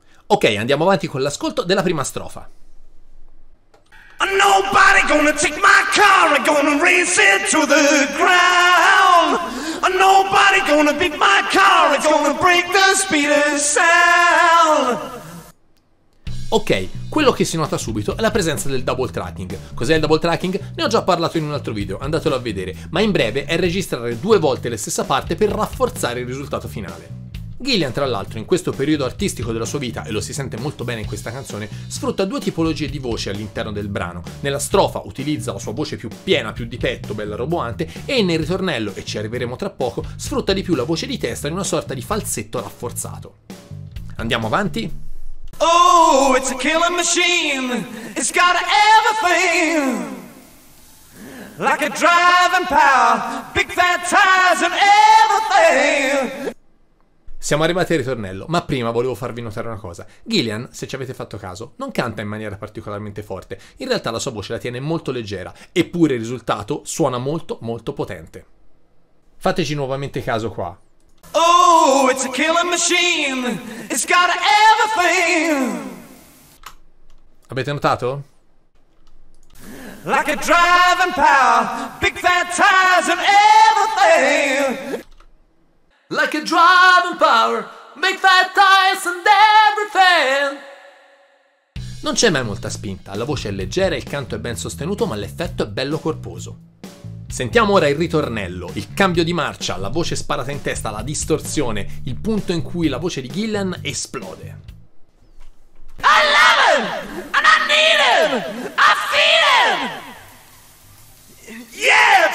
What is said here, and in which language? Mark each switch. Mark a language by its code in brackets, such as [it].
[it] Ok, andiamo avanti con l'ascolto della prima strofa. [en] Nobody gonna take my car and gonna race it to the ground. Nobody gonna beat my car and gonna break the speed of sound. [it] Ok, quello che si nota subito è la presenza del double tracking. Cos'è il double tracking? Ne ho già parlato in un altro video, andatelo a vedere, ma in breve è registrare due volte la stessa parte per rafforzare il risultato finale. Gillan, tra l'altro, in questo periodo artistico della sua vita, e lo si sente molto bene in questa canzone, sfrutta due tipologie di voce all'interno del brano. Nella strofa utilizza la sua voce più piena, più di petto, bella roboante, e nel ritornello, e ci arriveremo tra poco, sfrutta di più la voce di testa in una sorta di falsetto rafforzato. Andiamo avanti? [en] Oh, it's a killing machine, it's got everything, like a driving power, big fat tires and everything. [it] Siamo arrivati al ritornello, ma prima volevo farvi notare una cosa. Gillan, se ci avete fatto caso, non canta in maniera particolarmente forte, in realtà la sua voce la tiene molto leggera, eppure il risultato suona molto molto potente. Fateci nuovamente caso qua. [en] Oh, it's a killing machine, it's got everything. Avete notato? Like a driving power, big fat tires and everything. Like a driving power, big fat tires and everything. [it] Non c'è mai molta spinta, la voce è leggera, il canto è ben sostenuto, ma l'effetto è bello corposo. Sentiamo ora il ritornello, il cambio di marcia, la voce sparata in testa, la distorsione, il punto in cui la voce di Gillan esplode. [en] I love him! And I need him! I feel him! Yeah,